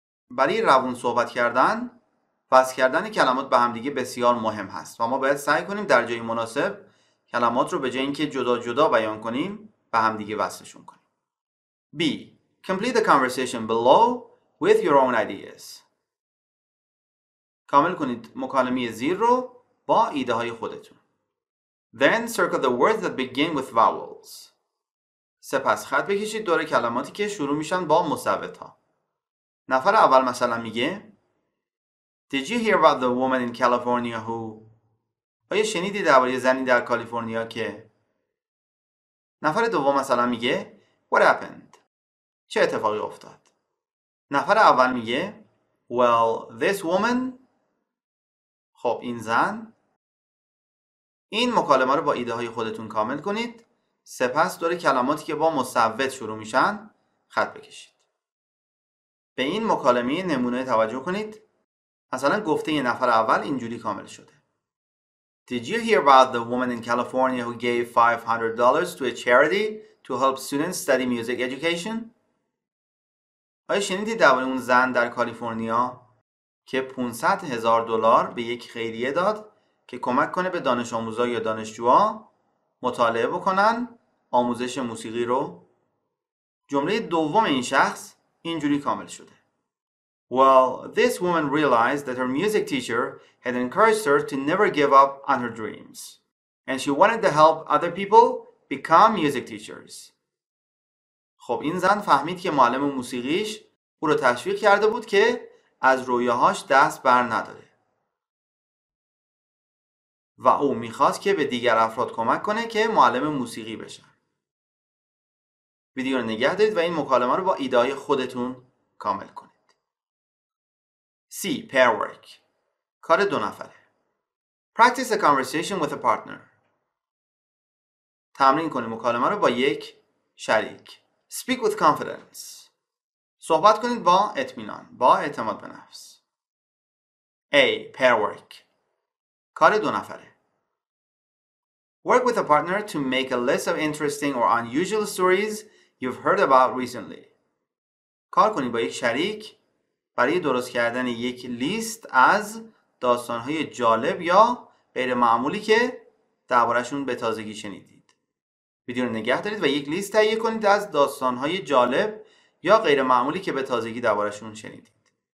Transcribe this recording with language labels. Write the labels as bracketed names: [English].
[Persian] برای روان صحبت کردن، وصل کردن کلمات به همدیگه بسیار مهم هست و ما باید سعی کنیم در جای مناسب کلمات رو به جای اینکه جدا جدا بیان کنیم به همدیگه وصلشون کنیم. [English] B. Complete the conversation below with your own ideas. [Persian] کامل کنید مکالمه زیر رو با ایده های خودتون. [English] Then circle the words that begin with vowels. [Persian] سپس خط بکشید دور کلماتی که شروع میشن با مصوت ها. نفر اول مثلا میگه [English] Did you hear about the woman in California who؟ [Persian] آیا شنیدی درباره زنی در کالیفرنیا که؟ نفر دوم مثلا میگه [English] What happened؟ [Persian] چه اتفاقی افتاد؟ نفر اول میگه [English] Well, this woman؟ [Persian] خب این زن؟ این مکالمه رو با ایده های خودتون کامل کنید، سپس دور کلماتی که با مصوت شروع میشن خط بکشید. به این مکالمه نمونه توجه کنید. مثلا گفته یه نفر اول اینجوری کامل شده. [English] Did you hear about the woman in California who gave $500 to a charity to help students study music education? [Persian] آیا شنیدی درباره اون زن در کالیفرنیا که $500,000 به یک خیریه داد که کمک کنه به دانش آموزا یا دانشجوها مطالعه بکنن آموزش موسیقی رو؟ جمله دوم این شخص اینجوری کامل شده. [English] Well, this woman realized that her music teacher had encouraged her to never give up on her dreams, and she wanted to help other people become music teachers. [Persian] خب این زن فهمید که معلم موسیقیش او رو تشویق کرده بود که از رویاهاش دست بر نداره. و او میخواست که به دیگر افراد کمک کنه که معلم موسیقی بشن. ویدیو رو نگه دارید و این مکالمه رو با ایده‌های خودتون کامل کنید. [English] C. Pair work. [Persian] کار دو نفره. [English] Practice a conversation with a partner. [Persian] تمرین کنید مکالمه رو با یک شریک. [English] Speak with confidence. [Persian] صحبت کنید با اطمینان، با اعتماد به نفس. [English] A. Pair work. [Persian] کار دو نفره. [English] Work with a partner to make a list of interesting or unusual stories you've heard about recently. [Persian] کار کنید با یک شریک برای درست کردن یک لیست از داستان‌های جالب یا غیر معمولی که درباره‌شون به تازگی شنیدید. ویدیو رو نگه دارید و یک لیست تهیه کنید از داستان‌های جالب یا غیر معمولی که به تازگی درباره‌شون شنیدید.